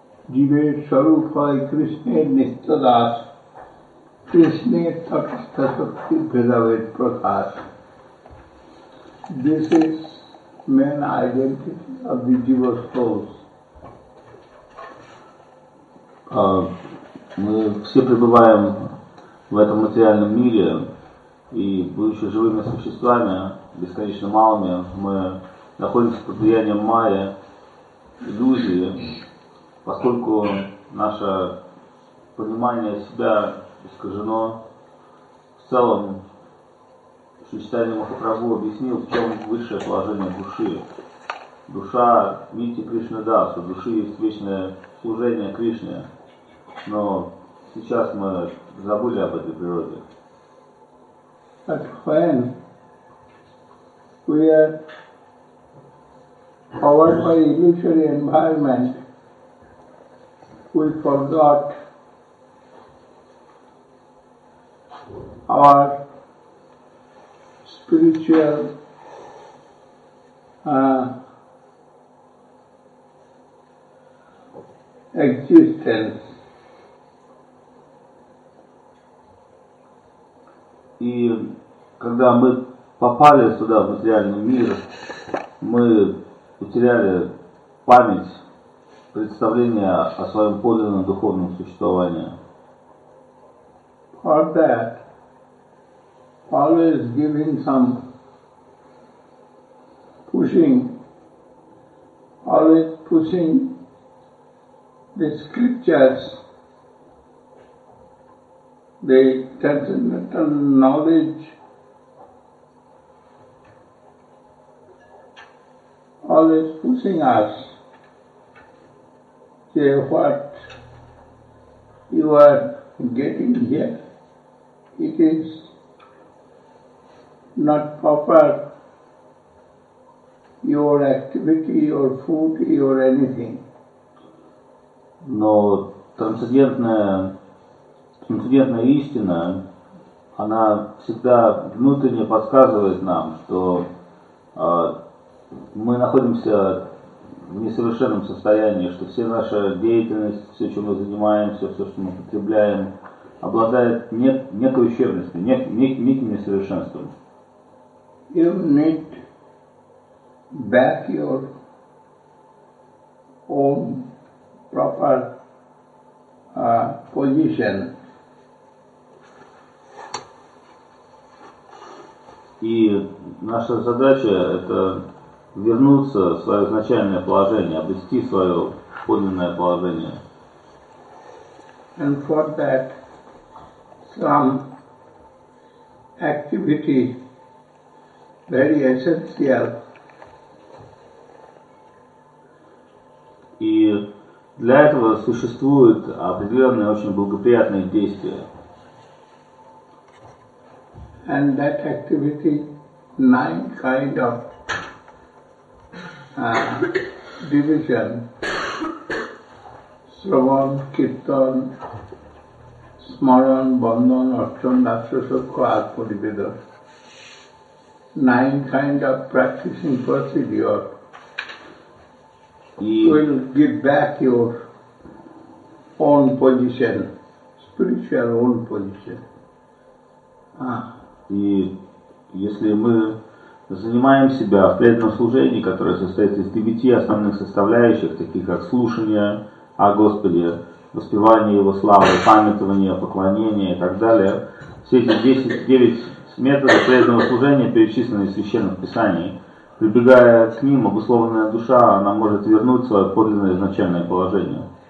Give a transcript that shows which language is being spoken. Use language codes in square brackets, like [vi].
[sa] Jivet Sarupai Krishne Nishtadas Krishne Tatastasakti Bhedavet Prakash. [en] This is main identity of the jiva souls. [ru] Мы все пребываем в этом материальном мире, и будучи живыми существами, бесконечно малыми, мы находимся под влиянием майя, иллюзии, поскольку наше понимание себя искажено. В целом, Шри Чайтанья Махапрабху объяснил, в чем высшее положение души. Душа Нити Кришны Дас, у души есть вечное служение Кришне, но сейчас мы забыли об этой природе. [en] But when we are covered by illusory environment, we forgot our spiritual existence. [ru] И когда мы попали сюда, в материальный мир, мы потеряли память, представление о своем подлинном духовном существовании. [en] For that, always giving some pushing, always pushing the scriptures, the transcendental knowledge, always pushing us, say, what you are getting here, it is not proper, your activity, your food, your anything. [ru] No, трансцендентная истина, она всегда внутренне подсказывает нам, что мы находимся в несовершенном состоянии, что вся наша деятельность, все, чем мы занимаемся, все, что мы потребляем, обладает некой ущербностью, неким несовершенством. [en] You need back your own proper position. [ru] И наша задача – это вернуться в свое изначальное положение, обрести свое подлинное положение. [en] And for that, some activity very essential. [ru] И для этого существуют определенные очень благоприятные действия. [en] And that activity, nine kind of division, Sravan, Kirtan, Smaran, Bandhan, Archan, Nasrasukha, Atmanibeda, nine kind of practicing procedure will give back your own position, spiritual own position. [ru] И если мы занимаем себя в преданном служении, которое состоит из девяти основных составляющих, таких как слушание о Господе, воспевание Его славы, памятование, поклонение и так далее, все эти 10-9 методов преданного служения, перечисленные в Священном Писании, прибегая к ним, обусловленная душа, она может вернуть свое подлинное изначальное положение.